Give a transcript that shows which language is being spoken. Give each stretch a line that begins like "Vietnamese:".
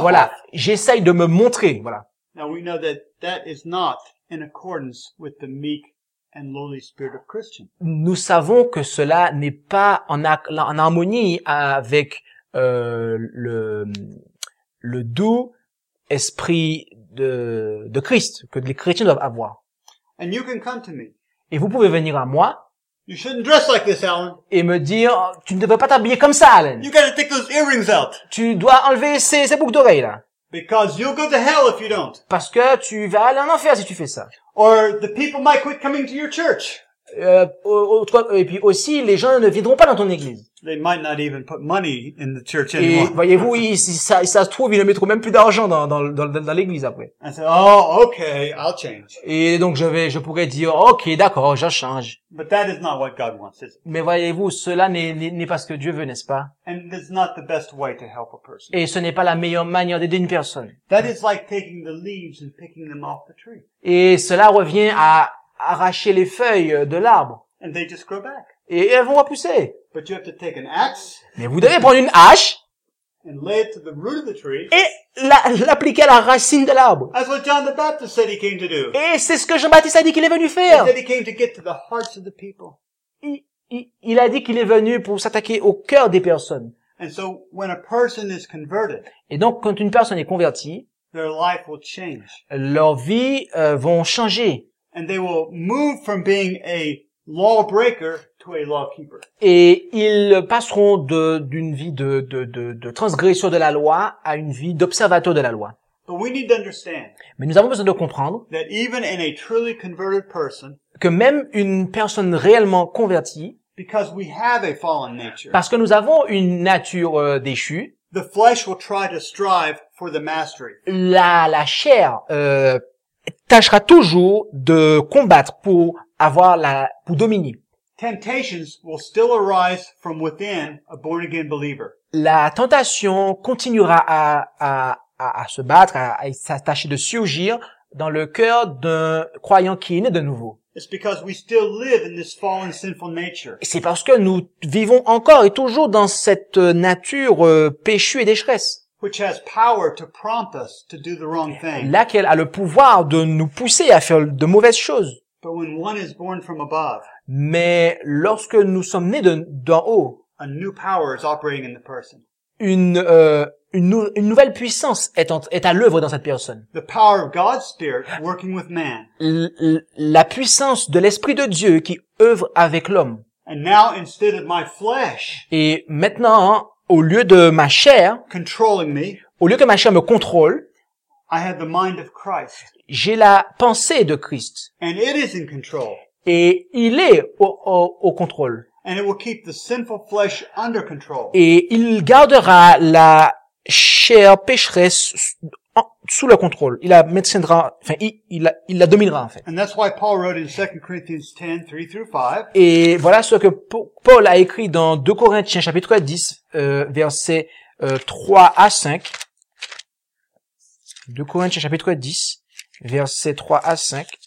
French: Voilà, j'essaye de me montrer, voilà.
English: Now we know that is not in accordance with the meek and lowly spirit of Christian.
French: Nous savons que cela n'est pas en harmonie avec le doux esprit de Christ que les chrétiens doivent avoir.
English: And you can come to me.
French: Et vous pouvez venir à moi.
English: You shouldn't dress like this, Alan.
French: Et me dire, tu ne devrais pas t'habiller comme ça, Alan.
English: You gotta take those earrings out.
French: Tu dois enlever ces boucles d'oreilles là.
English: Because you'll go to hell if you don't.
French: Parce que tu vas aller en enfer si tu fais ça.
English: Or the people might quit coming to your church.
French: Et puis aussi, les gens ne viendront pas dans ton église.
English: They might not even put money in the church anymore.
French: Et voyez-vous, ça se trouve, ils ne mettront même plus d'argent dans l'église après.
English: I said, oh, okay, I'll change.
French: Et donc, je pourrais dire, ok, d'accord, je change.
English: But that is not what God wants, is it?
French: Mais voyez-vous, cela n'est pas ce que Dieu veut, n'est-ce pas?
English: And it's not the best way to help a person.
French: Et ce n'est pas la meilleure manière d'aider une personne.
English: That is like taking the leaves and picking them off the tree.
French: Et cela revient à arracher les feuilles de l'arbre.
English: And they just grow back.
French: Et elles vont repousser.
English: But you have to take an axe.
French: Mais vous devez prendre une hache.
English: And lay it to the root of the tree.
French: Et l'appliquer à la racine de l'arbre.
English: That's what John the Baptist said he came to do.
French: Et c'est ce que Jean-Baptiste a dit qu'il est venu faire.
English: He said he came to get to the hearts of the people.
French: Il a dit qu'il est venu pour s'attaquer au cœur des personnes.
English: And so when a person is converted.
French: Et donc quand une personne est convertie.
English: Their life will change.
French: Leur vie vont changer.
English: And they will move from being a lawbreaker to a lawkeeper.
French: Et ils passeront d'une vie de transgresseur de la loi à une vie d'observateur de la loi.
English: But we need to understand.
French: Mais nous avons besoin de comprendre
English: that even in a truly converted person,
French: que même une personne réellement convertie,
English: because we have a fallen nature,
French: parce que nous avons une nature déchue,
English: the flesh will try to strive for the mastery.
French: La chair tâchera toujours de combattre pour avoir pour dominer.
English: Temptations will still arise from within a born again believer.
French: La tentation continuera à se battre, à s'attacher de surgir dans le cœur d'un croyant qui est né de nouveau.
English: It's because we still live in this fallen, sinful nature.
French: C'est parce que nous vivons encore et toujours dans cette nature péchue et décheresse.
English: Which has power to prompt us to do the wrong thing.
French: Laquelle a le pouvoir de nous pousser à faire de mauvaises choses.
English: But when one is born from above,
French: mais lorsque nous sommes nés d'en haut,
English: a new power is operating in the person.
French: Une nouvelle puissance est à l'œuvre dans cette personne.
English: The power of God's Spirit working with man.
French: La puissance de l'Esprit de Dieu qui œuvre avec l'homme.
English: And now, instead of my flesh,
French: et maintenant, au lieu de ma chair,
English: controlling me,
French: au lieu que ma chair me contrôle,
English: I have the mind of Christ.
French: J'ai la pensée de Christ.
English: And it is in control.
French: Et il est au contrôle.
English: And it will keep the sinful flesh under control.
French: Et il gardera la chair pécheresse sous le contrôle. Il la maintiendra, enfin, il la dominera, en fait.
English: And that's why Paul wrote in 2 Corinthians 10, 3 through 5.
French: Et voilà ce que Paul a écrit dans 2 Corinthiens, chapitre 10, versets 3 à 5. 2 Corinthiens, chapitre 10, versets 3 à 5.